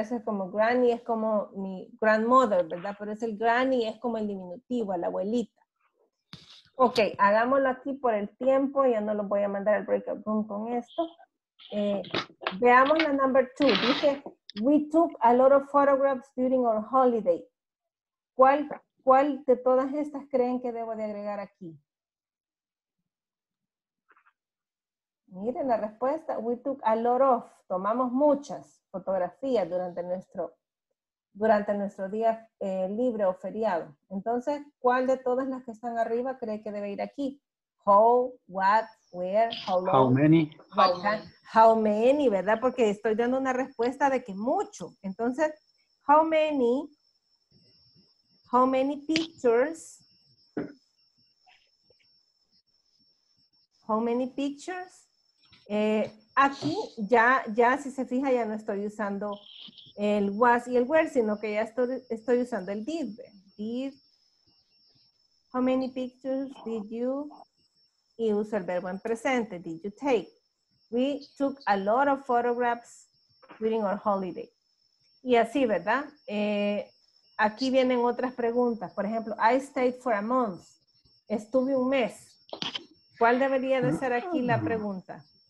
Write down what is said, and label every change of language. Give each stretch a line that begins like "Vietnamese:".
Spanish: Eso es como granny, es como mi grandmother, ¿verdad? Pero es el granny, es como el diminutivo, la abuelita. Ok, hagámoslo aquí por el tiempo. Ya no lo voy a mandar al breakout room con esto. Veamos la number 2.
English: Dice, we took a lot of photographs during our holiday.
Spanish: ¿Cuál de todas estas creen que debo de agregar aquí? Miren la respuesta.
English: We took a lot of,
Spanish: tomamos muchas fotografías durante nuestro día libre o feriado. Entonces, ¿cuál de todas las que están arriba cree que debe ir aquí?
English: How, what, where, how long. How many. How many, ¿verdad?
Spanish: Porque estoy dando una respuesta de que mucho.
English: Entonces, how many pictures. How many pictures.
Spanish: Aquí ya si se fija, ya no estoy usando el was y el where, sino que ya estoy usando el did.
English: Did, how many pictures did you,
Spanish: y uso el verbo en presente,
English: did you take. We took a lot of photographs during our holiday.
Spanish: Y así, ¿verdad? Aquí vienen otras preguntas. Por ejemplo,
English: I stayed for a month.
Spanish: Estuve un mes. ¿Cuál debería de ser aquí la pregunta?